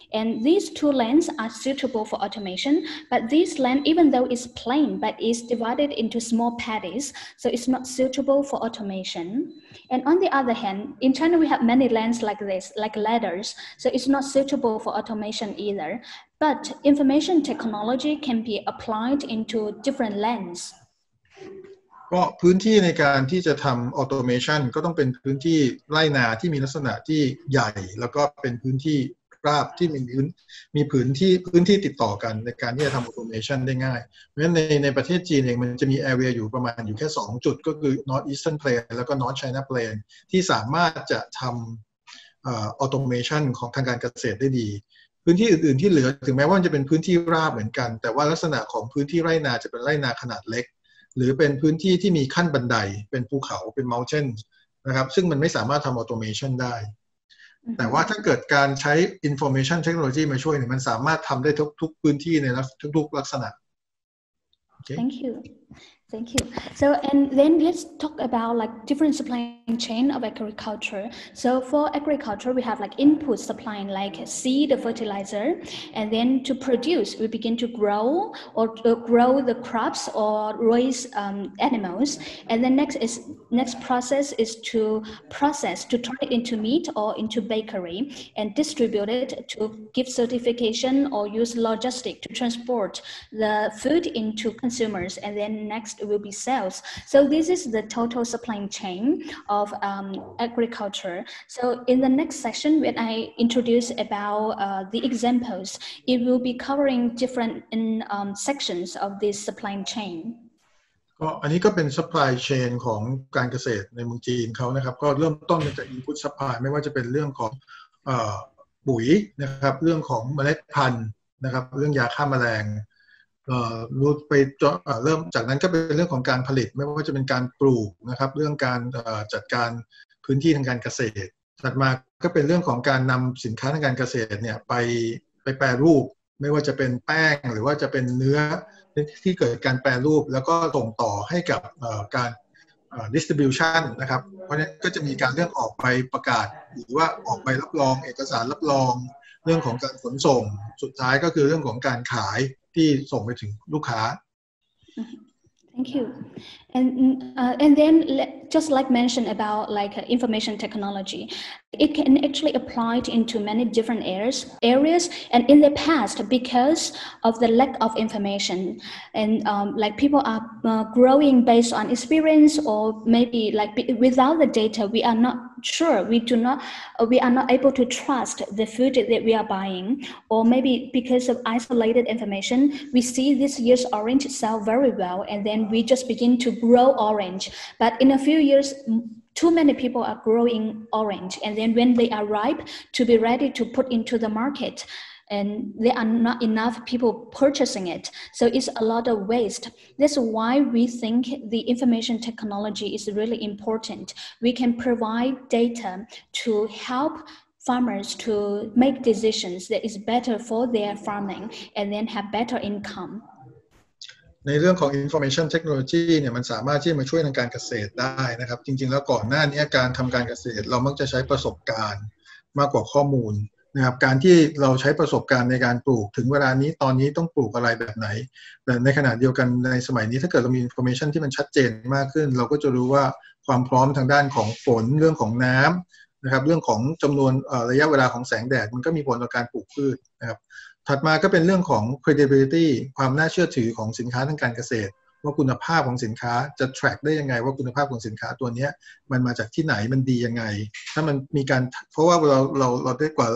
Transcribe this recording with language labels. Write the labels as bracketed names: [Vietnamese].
[English] And these two lands are suitable for automation. But this land, even though it's plain, but it's divided into small paddies, so it's not suitable for automation. And on the other hand, in China, we have many lands like this, like ladders. So it's not suitable for automation either. But information technology can be applied into different lands. [Thai] ก็พื้นที่ในการที่จะทำออโตเมชันก็ต้องเป็นพื้นที่ไร่นาที่มีลักษณะที่ใหญ่แล้วก็เป็นพื้นที่ราบที่มีพื้นที่ติดต่อกันในการที่จะทำออโตเมชันได้ง่ายเพราะฉะนั้นในประเทศจีนเองมันจะมีแอเรียอยู่ประมาณอยู่แค่2จุดก็คือ North Eastern Plain แล้วก็ North China Plain ที่สามารถจะทำออโตเมชันของทางการเกษตรได้ดี พื้นที่อื่นๆที่เหลือถึงแม้ว่ามันจะเป็นพื้นที่ราบเหมือนกันแต่ว่าลักษณะของพื้นที่ไร่นาจะเป็นไร่นาขนาดเล็กหรือเป็นพื้นที่ที่มีขั้นบันไดเป็นภูเขาเป็นเมาน์เทนนะครับซึ่งมันไม่สามารถทำออโตเมชันได้แต่ว่าถ้าเกิดการใช้ information technology มาช่วยเนี่ยมันสามารถทำได้ทุกพื้นที่ในทุกลักษณะ [English] okay. Thank you. Thank you. So and then let's talk about like different supply chain of agriculture. So for agriculture, we have like input supplying like seed, fertilizer, and then to produce, we begin to grow or grow the crops or raise animals. And then next process is to process to turn it into meat or into bakery and distribute it to give certification or use logistic to transport the food into consumers. And then next. Will be sales. So this is the total supply chain of agriculture. So in the next session, when I introduce about the examples, it will be covering different sections of this supply chain. [Thai] ก็อันนี้ก็เป็น supply chain ของการเกษตรในเมืองจีนเขานะครับก็เริ่มต้นจาก input supply ไม่ว่าจะเป็นเรื่องของปุ๋ยนะครับเรื่องของเมล็ดพันธุ์นะครับเรื่องยาฆ่าแมลง รู้ไปเริ่มจากนั้นก็เป็นเรื่องของการผลิตไม่ว่าจะเป็นการปลูกนะครับเรื่องการจัดการพื้นที่ทางการเกษตรถัดมาก็เป็นเรื่องของการนำสินค้าทางการเกษตรเนี่ยไป แปรรูปไม่ว่าจะเป็นแป้งหรือว่าจะเป็นเนื้อที่เกิดการแปรรูปแล้วก็ส่งต่อให้กับการdistribution นะครับเพราะฉะนั้นก็จะมีการเรื่องออกใบประกาศหรือว่าออกใบรับรองเอกสารรับรองเรื่องของการขนส่งสุดท้ายก็คือเรื่องของการขายที่ส่งไปถึงลูกค้า [English] Thank you. And then just like mentioned about like information technology, it can actually apply into many different areas. And in the past, because of the lack of information and like people are growing based on experience or maybe like without the data, we are not sure. We are not able to trust the food that we are buying, or maybe because of isolated information, we see this year's orange sell very well. And then we just begin to grow orange, but in a few years, too many people are growing orange, and then when they are ripe to be ready to put into the market, and there are not enough people purchasing it, so it's a lot of waste. That's why we think the information technology is really important. We can provide data to help farmers to make decisions that is better for their farming and then have better income. [Thai] ในเรื่องของ information technology เนี่ยมันสามารถที่จะมาช่วยทางการเกษตรได้นะครับจริงๆแล้วก่อนหน้านี้การทำการเกษตรเรามักจะใช้ประสบการณ์มากกว่าข้อมูลนะครับการที่เราใช้ประสบการณ์ในการปลูกถึงเวลานี้ตอนนี้ต้องปลูกอะไรแบบไหน แต่ในขณะเดียวกันในสมัยนี้ถ้าเกิดเรามี information ที่มันชัดเจนมากขึ้นเราก็จะรู้ว่าความพร้อมทางด้านของฝนเรื่องของน้ำนะครับเรื่องของจำนวนระยะเวลาของแสงแดดมันก็มีผลต่อการปลูกพืชนะครับถัดมาก็เป็นเรื่องของ credibility ความน่าเชื่อถือของสินค้าทางการเกษตรว่าคุณภาพของสินค้าจะ track ได้ยังไงว่าคุณภาพของสินค้าตัวนี้มันมาจากที่ไหนมันดียังไงถ้ามันมีการเพราะว่าเราได้